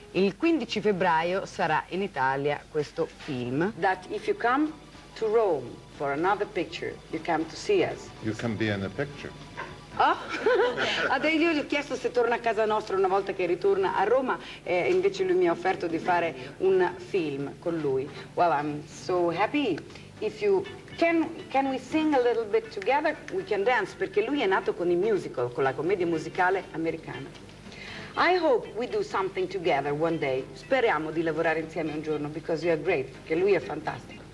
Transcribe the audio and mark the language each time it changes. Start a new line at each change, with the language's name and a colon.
Italian: Il 15 febbraio sarà in Italia questo film.
English: That if you come to Rome for another picture, you come to see us. You can be in the picture. Oh?
Italian: Adelio gli ho chiesto se torna a casa nostra una volta che ritorna a Roma e invece lui mi ha offerto di fare un film con lui.
English: Well, I'm so happy. If you can we sing a little bit together? We can dance,
Italian: perché lui è nato con i musical, con la commedia musicale americana.
English: I hope we do something together one day.
Italian: Speriamo di lavorare insieme un giorno,
English: because you are great,
Italian: perché lui è fantastico.